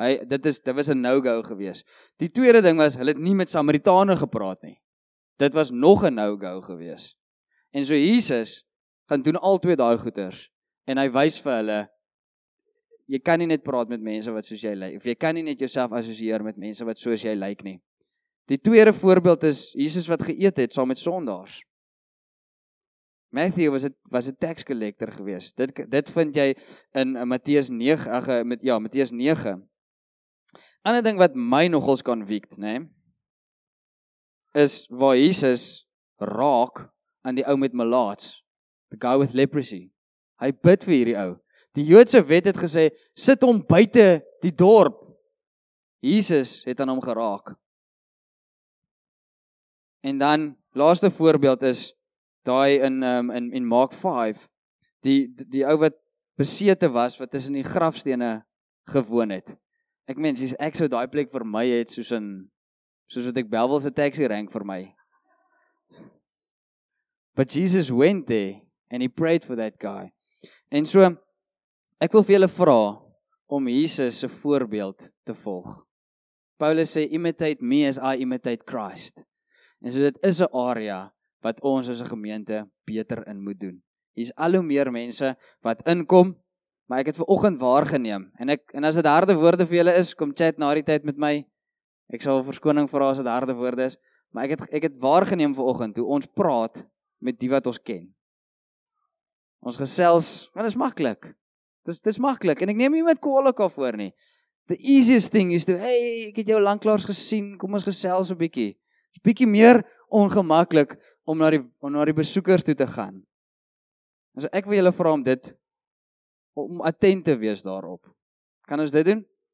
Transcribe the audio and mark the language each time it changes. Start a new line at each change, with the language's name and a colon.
Afrikaans: Dit was 'n no-go gewees. Die tweede ding was, hulle het nie met Samaritane gepraat nie. Dit was nog 'n no-go gewees. En so Jesus gaan doen al twee daai goeters, en hy wys vir hulle, jy kan nie net praat met mense wat soos jy lyk, of jy kan nie net jouself assosieer met mense wat soos jy lyk nie. Die tweede voorbeeld is Jesus wat geëet het saam met sondaars. Matthew was 'n tax collector gewees. Dit vind jy in Matteus 9, Matteus 9. Ander ding wat my nogals convict, nê, is waar Jesus raak aan die ou met melaats,
English: the guy with leprosy.
Afrikaans: Hy bid vir hierdie ou. Die Joodse wet het gesê, sit hom buite die dorp. Jesus het aan hom geraak. En dan, laaste voorbeeld is, daai in Mark 5, die ou wat besete was, wat tussen die grafstene gewoon het. Ek meen, sies, ek sou daai plek vir my het, soos wat ek Bellville se taxi rank vir my.
English: But Jesus went there, and he prayed for that guy.
Afrikaans: En so, ek wil vir julle vra om Jesus se voorbeeld te volg.
English: Paulus sê, imitate me as I imitate Christ.
Afrikaans: En so dit is 'n area wat ons as 'n gemeente beter in moet doen. Hier's al hoe meer mense wat inkom, maar ek het vanoggend waargeneem. En as dit harde woorde vir julle is, kom chat na die tyd met my. Ek sal verskoning vra as dit harde woorde is. Maar ek het waargeneem vanoggend hoe ons praat met die wat ons ken. Ons gesels, want dit is maklik. Dit is maklik, en ek neem nie met kwalika voor nie.
English: The easiest thing is to, hey,
Afrikaans: ek het jou lanklaars gesien, kom ons gesels 'n bietjie. Is bietjie meer ongemaklik om na die besoekers toe te gaan. En so ek wil julle vra om dit, om attent te wees daarop. Kan ons dit doen?